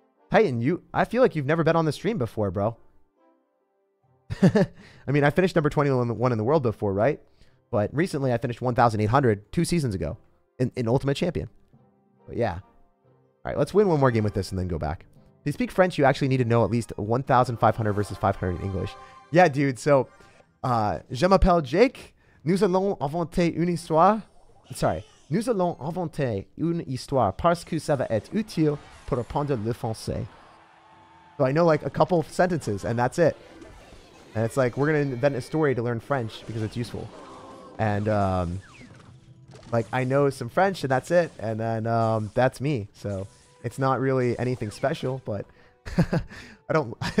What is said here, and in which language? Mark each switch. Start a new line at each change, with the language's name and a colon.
English: Titan, I feel like you've never been on the stream before, bro. I mean, I finished number 21 in the world before, right? But recently, I finished 1,800 two seasons ago in Ultimate Champion. But yeah. All right, let's win one more game with this and then go back. If you speak French, you actually need to know at least 1,500 versus 500 in English. Yeah, dude. So,
French: je m'appelle Jake. Nous allons inventer une histoire.
English: Sorry.
French: Nous allons inventer une histoire parce que ça va être utile pour apprendre le français.
English: So I know like a couple of sentences and that's it. And it's like, we're going to invent a story to learn French because it's useful. And like, I know some French and that's it. And then that's me. So it's not really anything special, but I don't.